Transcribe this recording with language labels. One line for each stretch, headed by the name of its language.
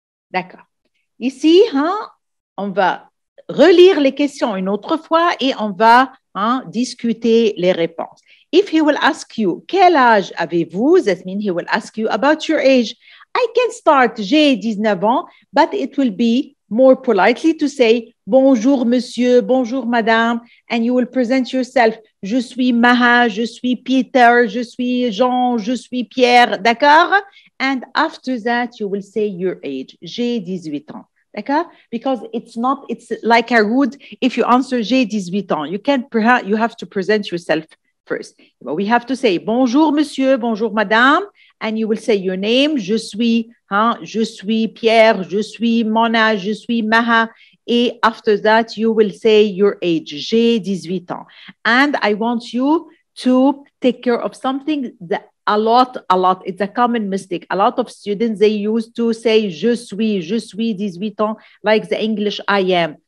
French: D'accord. Ici, on va relire les questions une autre fois et on va discuter les réponses.
English: If he will ask you,
French: quel âge avez-vous?
English: That means he will ask you about your age. I can start,
French: j'ai 19 ans,
English: but it will be more politely to say,
French: bonjour monsieur, bonjour madame,
English: and you will present yourself.
French: Je suis Maha, je suis Peter, je suis Jean, je suis Pierre, d'accord?
English: And after that, you will say your age.
French: J'ai 18 ans, d'accord?
English: Because it's like a rude if you answer
French: j'ai 18 ans.
English: You can't, perhaps, you have to present yourself first. But we have to say
French: bonjour monsieur, bonjour madame,
English: and you will say your name.
French: Je suis, hein? Je suis Pierre, je suis Mona, je suis Maha.
English: Et after that, you will say your age.
French: J'ai 18 ans.
English: And I want you to take care of something that a lot. It's a common mistake. A lot of students, they used to say
French: je suis 18 ans,
English: like the English I am.